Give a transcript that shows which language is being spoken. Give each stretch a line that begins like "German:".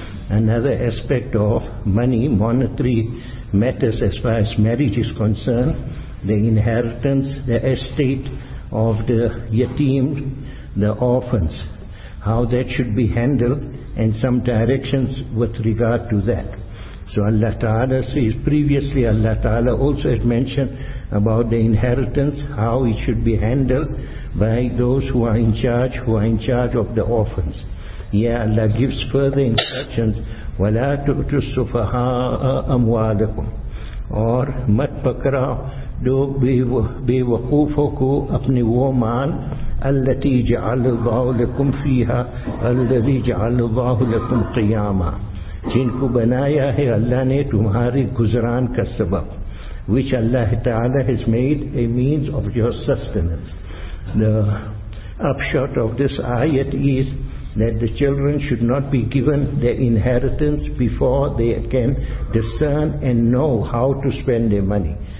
English: Another aspect of money, monetary matters as far as marriage is concerned, the inheritance, the estate of the yatim, the orphans, how that should be handled, and some directions with regard to that. So Allah Ta'ala says, previously Allah Ta'ala also had mentioned about the inheritance, how it should be handled by those who are in charge, who are in charge of the orphans. Yeah, Allah gives further instructions.
Arabic: وَلَا تُؤْتُوا السُّفَهَاءَ أَمْوَالَكُمْ
Urdu: اور مت پکراؤ جو بے وقوفوں کو اپنے وہ مال
Arabic: الَّتِي جَعَلُ اللَّهُ لَكُمْ فِيهَا الَّذِي جَعَلُ اللَّهُ لَكُمْ قِيَامًا
Urdu: جن کو بنایا ہے اللہ نے تمہاری گزران کا سبب.
English: Which Allah Ta'ala has made a means of your sustenance. The upshot of this ayat is that the children should not be given their inheritance before they can discern and know how to spend their money.